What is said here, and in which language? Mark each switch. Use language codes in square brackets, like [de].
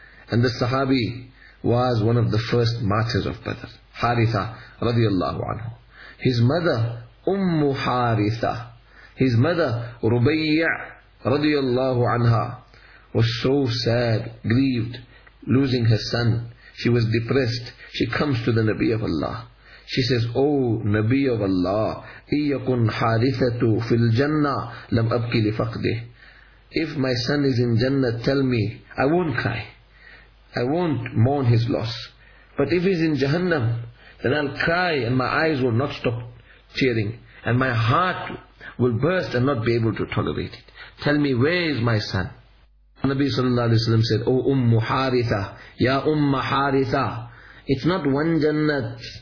[en] And the Sahabi was one of the first martyrs of Badr, Haritha radiallahu anhu. His mother, Ummu Haritha. His mother, Rubayya radiallahu anha, was so sad, grieved, losing her son. She was depressed. She comes to the Nabi of Allah. She says, oh Nabi of Allah, [ar] إِيَّكُنْ حَارِثَةُ فِي الْجَنَّةِ لَمْ أَبْكِ لِفَقْدِهِ. [en] If my son is in Jannah, tell me, I won't cry. I won't mourn his loss. But if he's in Jahannam, then I'll cry and my eyes will not stop tearing, and my heart will burst and not be able to tolerate it. Tell me, where is my son? The Nabi sallallahu alaihi wasallam said, O Ummu Haritha, Ya Ummu Haritha, it's not one Jannat.